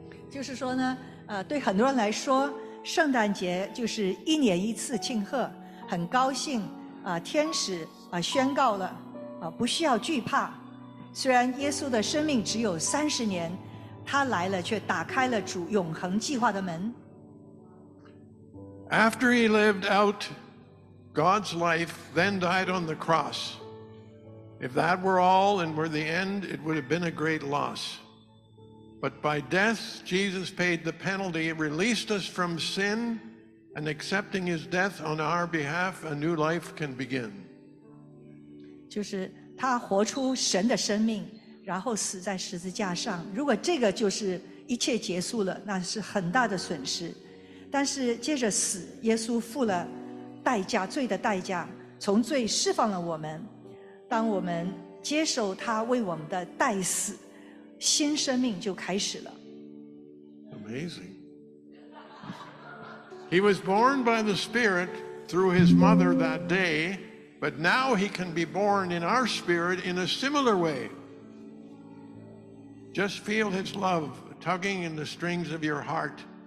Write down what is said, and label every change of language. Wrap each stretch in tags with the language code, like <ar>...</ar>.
<zh>就是说呢，对很多人来说，圣诞节就是一年一次庆贺。很高兴天使宣告了不需要惧怕。虽然耶稣的生命只有30年，他来了却打开了主永恒计划的门。</zh> <en>After he lived out God's life, then died on the cross. If that were all and were the end, it would have been a great loss. But by death, Jesus paid the penalty, released us from sin, and accepting his death on our behalf, a new life can begin.</en> <zh>就是他活出神的生命，然后死在十字架上。如果这个就是一切结束了，那是很大的损失。但是借着死，耶稣付了代价，罪的代价，从罪释放了我们。当我们接受他为我们的代死，新生命就开始了。</zh> <en>Amazing. He was born by the Spirit through his mother that day, but now he can be born in our spirit in a similar way. Just feel his love tugging in the strings of your heart.</en>